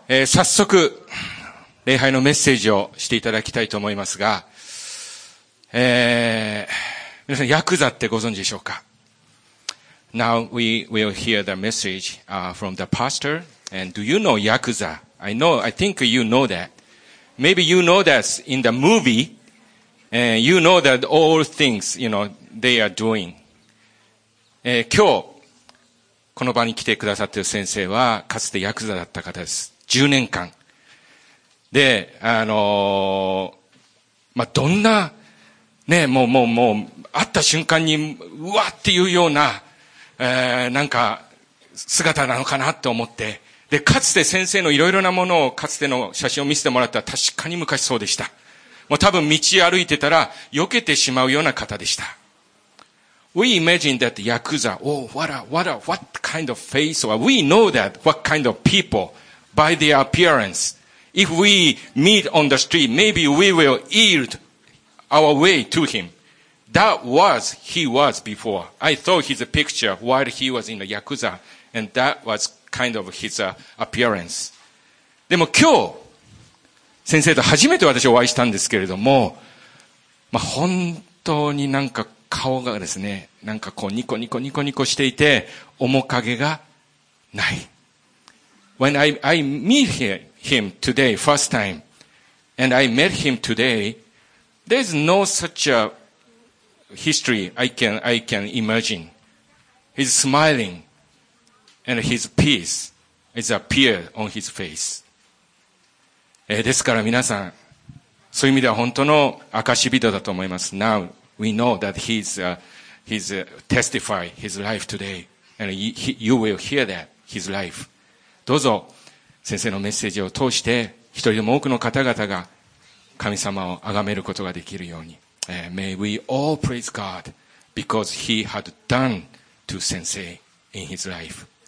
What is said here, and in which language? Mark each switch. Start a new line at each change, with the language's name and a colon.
Japanese: 早速礼拝のメッセージをしていただきたいと思いますが、皆さんヤクザってご存知でしょうか。
English: Now we will hear the message from the pastor. And do you know ヤクザ? I think you know that. Maybe you know that in the movie. And you know that all things, you know, they are doing.
Japanese: 今日この場に来てくださっている先生はかつてヤクザだった方です。 10年間で、まあ、どんなね、もう会った瞬間にうわっていうような、なんか姿なのかなと思って、でかつて先生のいろいろなものをかつての写真を見せてもらったら確かに昔そうでした。もう多分道歩いてたら避けてしまうような方でした。
English: We imagine that Yakuza, oh, what kind of face, or we know that what kind of people by their appearance. If we meet on the street, maybe we will yield our way to him. That was he was before. I saw his picture while he was in the Yakuza, and that was kind of his appearance.
Japanese: でも今日、先生と初めて私お会いしたんですけれども、まあ、本当になんか顔がですね、なんかこうニコニコニコニコしていて、面影がない。
English: When I meet him today, first time, and I met him today, there's no such a history I can imagine. He's smiling, and his peace is appear on his face.
Japanese: ですから皆さん、そういう意味では本当の証人だと思います。
English: Now, we know that he's testify his life today, and you will hear that, his life.
Japanese: どうぞ先生のメッセージを通して一人でも多くの方々が神様を崇めることができるように、
English: May we all praise God because he had done to 先生 in his life。